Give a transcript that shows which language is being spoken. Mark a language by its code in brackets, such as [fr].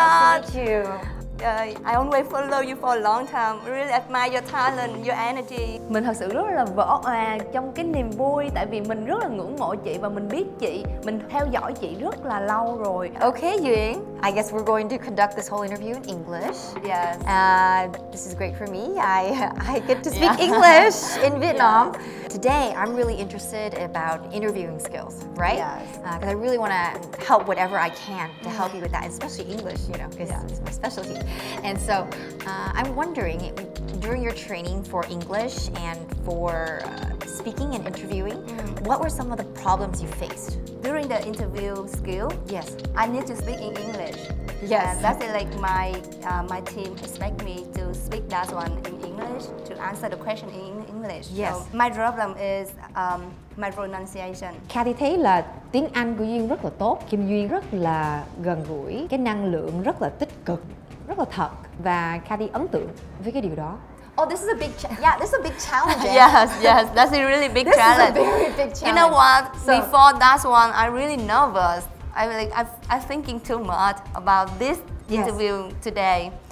[en] I always follow you for a long time. Really admire your talent, your energy. [vi] Mình thật sự rất là vỡ òa trong cái niềm vui, tại vì mình rất là ngưỡng mộ chị và mình biết chị, mình theo dõi chị rất là lâu rồi. [en] Okay, Duyen. I guess we're going to conduct this whole interview in English. Yes. This is great for me. I get to speak English in Vietnam. Yes. Today, I'm really interested about interviewing skills, right? Yes. Because I really want to help whatever I can to help you with that, especially English, you know, because it's my specialty. And so, I'm wondering, during your training for English and for speaking and interviewing, what were some of the problems you faced? During the interview skill, yes, I need to speak in English. Yes. And that's it, like my team expect me to speak that one in English, to answer the question in English. Yes. So my problem is my pronunciation. [vi] Cathy thấy là tiếng Anh của Duyên rất là tốt. Kim Duyên rất là gần gũi, cái năng lượng rất là tích cực, rất là thật. Và Cathy ấn tượng với cái điều đó. [en] Oh, this is a big this is a big challenge. Yes, that's a really big this challenge. This is a very big challenge. You know what? So, before that one, I really nervous. I'm thinking too much about this interview today.